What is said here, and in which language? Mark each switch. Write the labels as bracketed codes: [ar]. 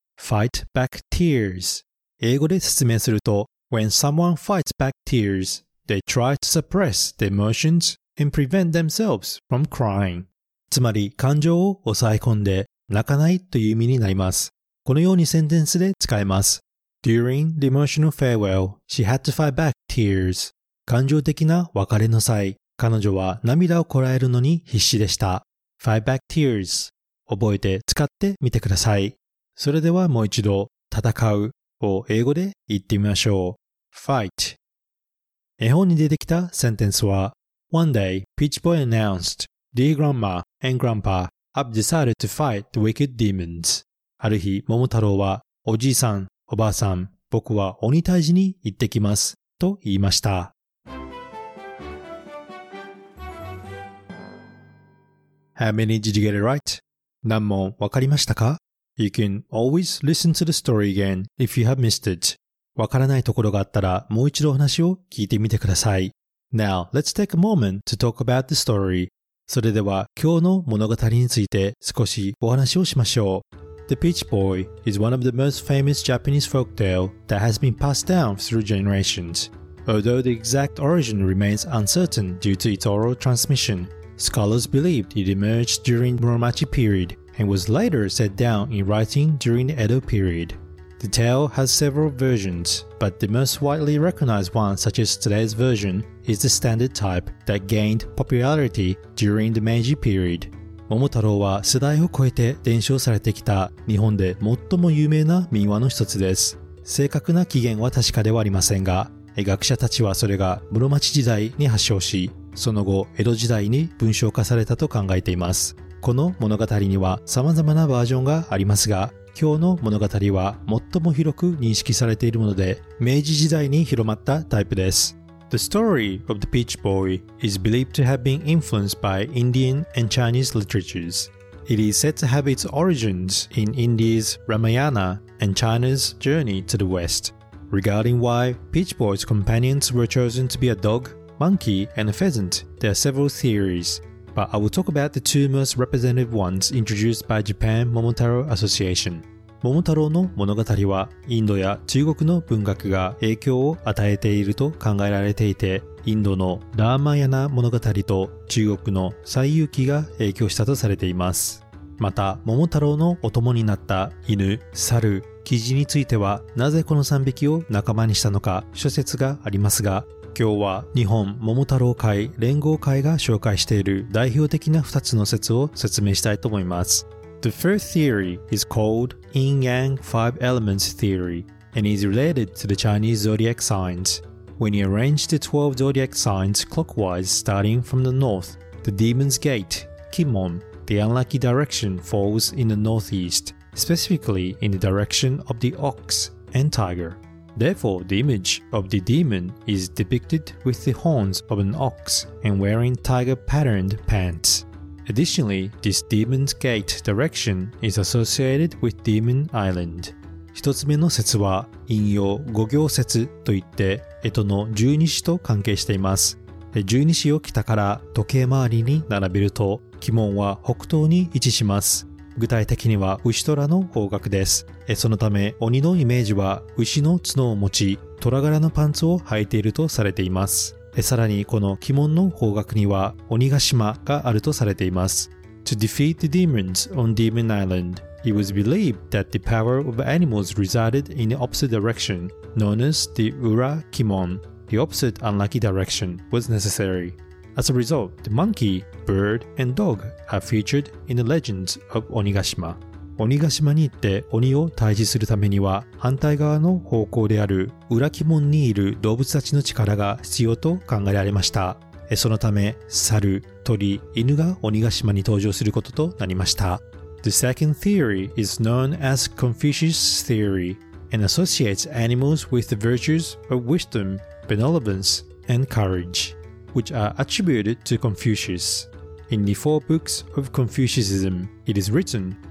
[en] Fight back tears、 [ja] 英語で説明すると、 [en] When someone fights back tears, they try to suppress the emotions and prevent themselves from crying。 [ja] つまり感情を抑え込んで泣かないという意味になります。このようにセンテンスで使えます。 [en] During the emotional farewell, she had to fight back tears。 [ja] 感情的な別れの際、彼女は涙をこらえるのに必死でした。 [en] Fight back tears、 [ja] 覚えて使ってみてください。それではもう一度、戦うを英語で言ってみましょう。 [en] Fight。 [ja] 絵本に出てきたセンテンスは、 [en] One day, Peach Boy announced, Dear Grandma and GrandpaI've decided to fight the wicked demons. [ja] ある日、桃太郎は、おじいさん、おばあさん、僕は鬼退治に行ってきます、と言いました。 [en] How many did you get it right? [ja] 何問わかりましたか? [en] You can always listen to the story again if you have missed it. [ja] わからないところがあったら、もう一度話を聞いてみてください。 [en] Now, let's take a moment to talk about the story. [ja] それでは今日の物語について少しお話をしましょう。 [en] The Peach Boy is one of the most famous Japanese folktale that has been passed down through generations. Although the exact origin remains uncertain due to its oral transmission, scholars believed it emerged during Muromachi period and was later set down in writing during the Edo period. The tale has several versions, but the most widely recognized one, such as today's version,is the standard type that gained popularity during the Meiji period. [ja] 桃太郎は世代を超えて伝承されてきた日本で最も有名な民話の一つです。正確な起源は確かではありませんが、学者たちはそれが室町時代に発祥し、その後江戸時代に文章化されたと考えています。この物語には様々なバージョンがありますが、今日の物語は最も広く認識されているもので、明治時代に広まったタイプです。 [en] The story of the Peach Boy is believed to have been influenced by Indian and Chinese literatures. It is said to have its origins in India's Ramayana and China's journey to the West. Regarding why Peach Boy's companions were chosen to be a dog, monkey, and a pheasant, there are several theories, but I will talk about the two most representative ones introduced by Japan Momotaro Association. [ja] 桃太郎の物語はインドや中国の文学が影響を与えていると考えられていて、インドのラーマヤナ物語と中国の西遊記が影響したとされています。また桃太郎のお供になった犬、猿、キジについては、なぜこの3匹を仲間にしたのか諸説がありますが、今日は日本桃太郎会連合会が紹介している代表的な2つの説を説明したいと思います。 [en] The first theory is called Yin-Yang Five Elements Theory and is related to the Chinese zodiac signs. When you arrange the 12 zodiac signs clockwise starting from the north, the demon's gate, Kimon, the unlucky direction falls in the northeast, specifically in the direction of the ox and tiger. Therefore, the image of the demon is depicted with the horns of an ox and wearing tiger-patterned pants. Additionally, this demon's gate direction is associated with Demon Island. [ja] 一つ目の説は、陰陽五行説といって、干支の十二支と関係しています。十二支を北から時計回りに並べると、鬼門は北東に位置します。具体的には牛虎の方角です。そのため、鬼のイメージは牛の角を持ち、虎柄のパンツを履いているとされています。さらにこの鬼門の方角には鬼ヶ島があるとされています。 [en] To defeat the demons on Demon Island, it was believed that the power of animals resided in the opposite direction, known as the Ura Kimon. The opposite unlucky direction was necessary. As a result, the monkey, bird, and dog are featured in the legends of 鬼ヶ島。 [ja] 鬼ヶ島に行って鬼を退治するためには、反対側の方向である裏鬼門にいる動物たちの力が必要と考えられました。そのため猿、鳥、犬が鬼ヶ島に登場することとなりました。 [en] The second theory is known as Confucius theory and associates animals with the virtues of wisdom, benevolence, and courage, which are attributed to Confucius. In the four books of Confucianism, it is written